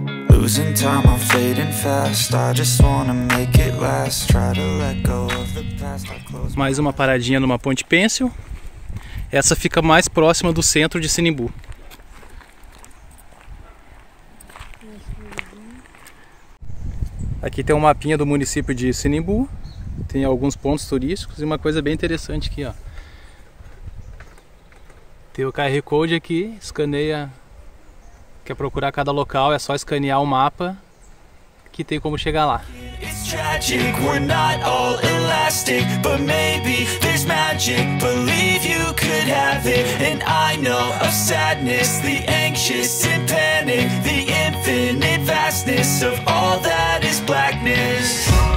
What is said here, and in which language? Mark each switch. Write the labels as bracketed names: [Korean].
[English] Losing time, I'm fading fast. I just wanna make it last. Try to let go of the past. [Portuguese] Mais uma paradinha numa ponte Pencil. Essa fica mais próxima do centro de Sinimbu. Aqui tem um mapinha do município de Sinimbu. Tem alguns pontos turísticos e uma coisa bem interessante aqui, ó. Tem o QR Code aqui, escaneia. Quer procurar cada local, é só escanear o mapa que tem como chegar lá. [English] It's tragic, we're not all elastic, but maybe there's magic. Believe you could have it, and I know of sadness, the anxious and panic, the infinite vastness of all that is blackness.